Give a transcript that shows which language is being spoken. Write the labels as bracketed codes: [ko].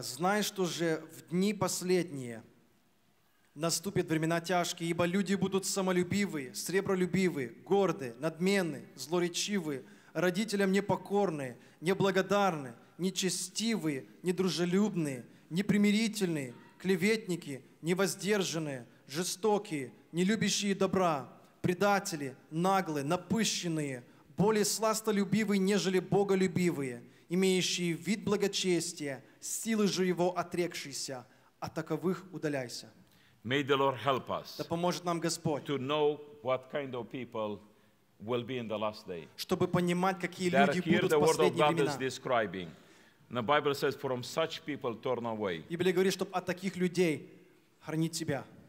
[ru] «Знай, что же в дни последние наступят времена тяжкие, ибо люди будут самолюбивы, сребролюбивы, горды, надменны, злоречивы, родителям непокорны, неблагодарны, нечестивы, недружелюбны, непримирительны, клеветники, невоздержанные, жестокие, нелюбящие добра, предатели, наглые, напыщенные, более сластолюбивые, нежели боголюбивые». Имеющие вид благочестия, силы же его отрекшиеся, от таковых удаляйся. [en] May the Lord help us. [ru] Да поможет нам Господь. [en] To know what kind of people will be in the last day. [ru] Чтобы понимать, какие люди будут в последние времена. [en] The Bible says, from such people turn away. [ru] Библия говорит, чтобы от таких людей хранить себя.